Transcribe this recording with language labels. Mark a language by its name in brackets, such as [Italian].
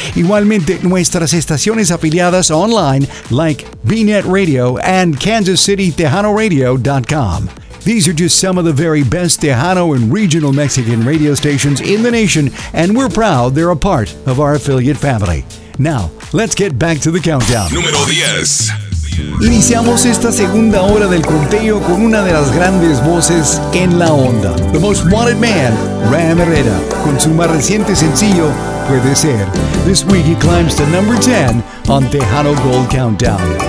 [Spanish] Igualmente, nuestras estaciones afiliadas online, [English] like BNet Radio and KansasCityTejanoRadio.com. These are just some of the very best Tejano and regional Mexican radio stations in the nation, and we're proud they're a part of our affiliate family. Now, let's get back to the countdown. [Spanish] Número 10. Iniciamos esta segunda hora del conteo con una de las grandes voces en la onda, [English] the most wanted man, [Spanish] Ram Herrera, con su más reciente sencillo, Puede Ser. [English] This week he climbs to number 10 on Tejano Gold Countdown.